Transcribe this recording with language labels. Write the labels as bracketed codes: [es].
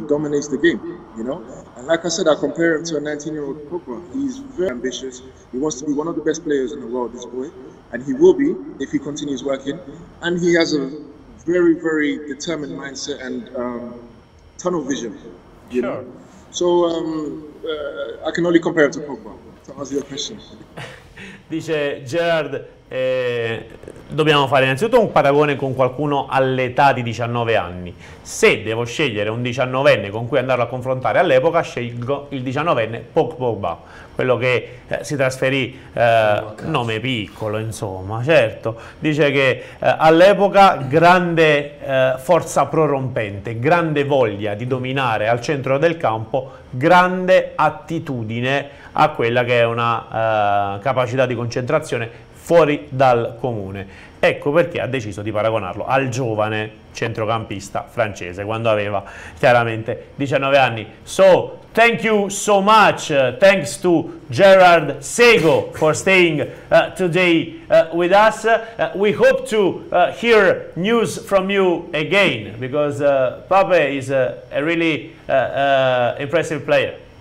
[en] He dominates the game, you know. And like I said, I compare him to a 19-year-old Pogba. He's very ambitious. He wants to be one of the best players in the world, this boy. And he will be if he continues working. And he has a very, very determined mindset and tunnel vision, you know. So I can only compare him to Pogba. To answer your question. [it] Dice Gerard, dobbiamo fare innanzitutto un paragone con qualcuno all'età di 19 anni. Se devo scegliere un 19enne con cui andarlo a confrontare all'epoca, scelgo il 19enne Pogba, quello che si trasferì, nome piccolo, insomma, certo. Dice che all'epoca grande forza prorompente, grande voglia di dominare al centro del campo, grande attitudine a quella che è una capacità di concentrazione fuori dal comune. Ecco perché ha deciso di paragonarlo al giovane centrocampista francese quando aveva chiaramente 19 anni. [en] So, thank you so much. Thanks to Gerard Sego for staying today with us. We hope to hear news from you again because Pape is a really impressive player.